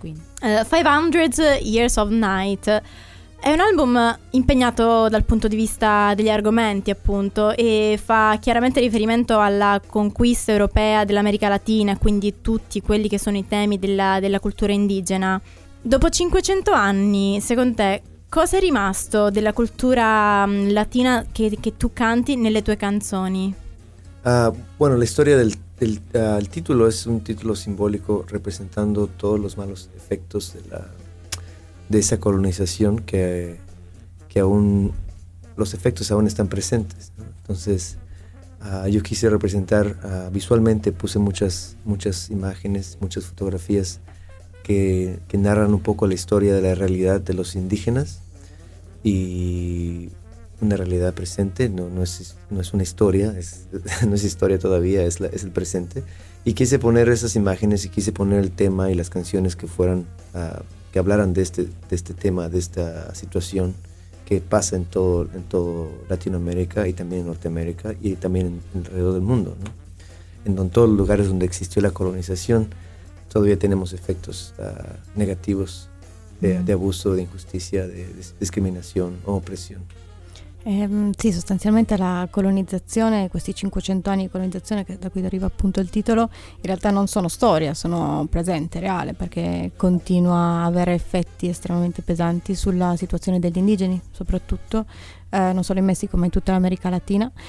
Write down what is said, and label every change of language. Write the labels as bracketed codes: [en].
[it] 500 Years of Night è un album impegnato dal punto di vista degli argomenti, appunto, e fa chiaramente riferimento alla conquista europea dell'America Latina, quindi tutti quelli che sono i temi della cultura indigena. Dopo 500 anni, secondo te, cosa è rimasto della cultura latina che tu canti nelle tue canzoni? [es] Bueno, la [it] storia del titolo [es] es un título simbólico representando todos los malos efectos de esa colonización que aún los efectos aún están presentes, ¿no? Entonces yo quise representar visualmente, puse muchas imágenes, muchas fotografías que narran un poco la historia de la realidad de los indígenas, y una realidad presente, no es una historia, no es historia todavía, es el presente. Y quise poner esas imágenes y quise poner el tema y las canciones que fueran, que hablaran de este tema, de esta situación que pasa en todo Latinoamérica y también en Norteamérica y también en alrededor del mundo, ¿no? En todos los lugares donde existió la colonización todavía tenemos efectos negativos de abuso, de injusticia, de discriminación o opresión. [it] Sì, sostanzialmente la colonizzazione, questi 500 anni di colonizzazione da cui deriva appunto il titolo, in realtà non sono storia, sono presente, reale, perché continua a avere effetti estremamente pesanti sulla situazione degli indigeni, soprattutto, non solo in Messico ma in tutta l'America Latina.